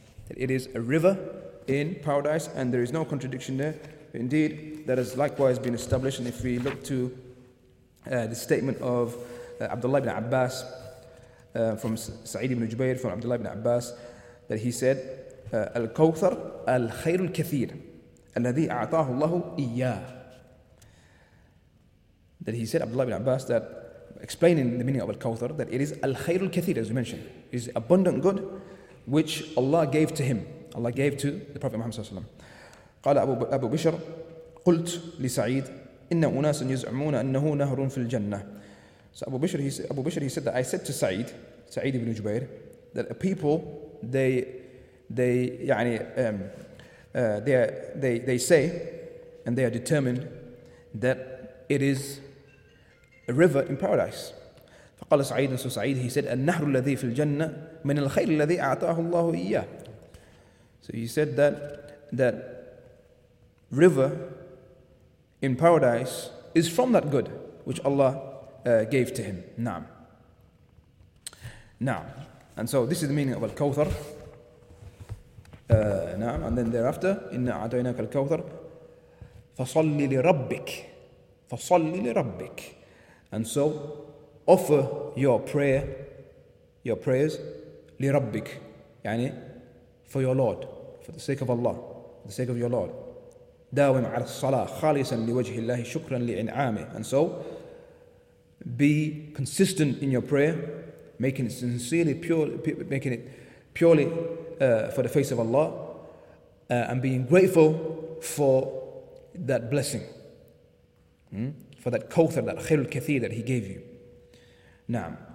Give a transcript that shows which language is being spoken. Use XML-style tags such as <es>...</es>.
<en>It is a river in paradise, and there is no contradiction there. Indeed, that has likewise been established. And if we look to the statement of Abdullah ibn Abbas, from Sa'id ibn Jubayr, from Abdullah ibn Abbas, that he said,</en> <ar>الكوثر الخير الكثير الذي أعطاه الله إياه.</ar> <en>That he said, Abdullah ibn Abbas, that explaining the meaning of al-kawthar, that it is al-khayr al-kathir, as you mentioned, it is abundant good which Allah gave to him. Allah gave to the Prophet Muhammad</en> <ar>صلى الله عليه وسلم. قال أبو بشر قلت لسعيد إن أناس يزعمون أنه نهر في الجنة.</ar> <en>So Abu Bishr said that I said to Sa'id ibn Jubair, that a people they say and they are determined that it is a river in paradise.</en> <ar>فقال سعيد سو سعيد,</ar> <en>he said</en> <ar>النهر الذي في الجنة من الخير الذي أعطاه الله إياه.</ar> <en>So he said that river in paradise is from that good which Allah gave to him.</en> <ar>نعم. نعم.</ar> <en>And so this is the meaning of al-kawthar.</en> <ar>نعم.</ar> <en>And then thereafter</en> <ar>إن أعطيناك الكوثر فصلي لربك فصلي لربك.</ar> <en>And so offer your prayers</en> <ar>لربك, يعني</ar> <en>for your Lord, for the sake of Allah, for the sake of your Lord.</en> <ar>داوم على الصلاة خالصا لوجه الله شكرا لإنعامه.</ar> <en>And so be consistent in your prayer, making it purely for the face of Allah, and being grateful for that blessing. For that kawthar, that khayr al-kathir that he gave you. Naam.</en>